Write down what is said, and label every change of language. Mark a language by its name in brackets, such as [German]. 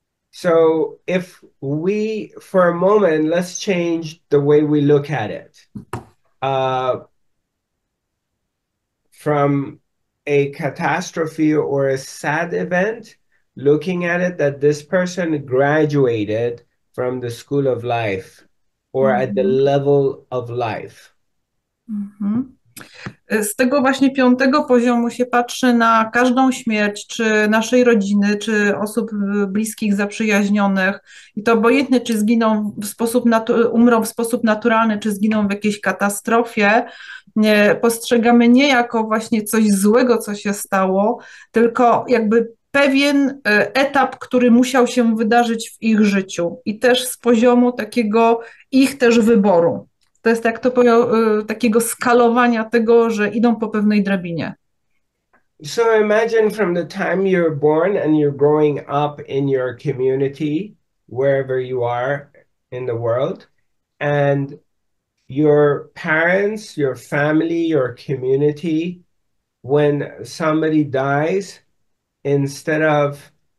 [English] So if we, for a moment, let's change the way we look at it from a catastrophe or a sad event, looking at it that this person graduated from the school of life or at the level of life. [Polish] Z tego właśnie piątego poziomu się patrzy na każdą śmierć, czy naszej rodziny, czy osób bliskich, zaprzyjaźnionych. I to obojętne, czy zginą w sposób umrą w sposób naturalny, czy zginą w jakiejś katastrofie, nie, postrzegamy nie jako właśnie coś złego, co się stało, tylko jakby pewien etap, który musiał się wydarzyć w ich życiu i też z poziomu takiego ich też wyboru. To jest jak to powiem, takiego skalowania tego, że idą po pewnej drabinie. [English] So imagine from the time you're born and you're growing up in your community, wherever you are in the world, and your parents, your family, your community, when somebody dies, instead of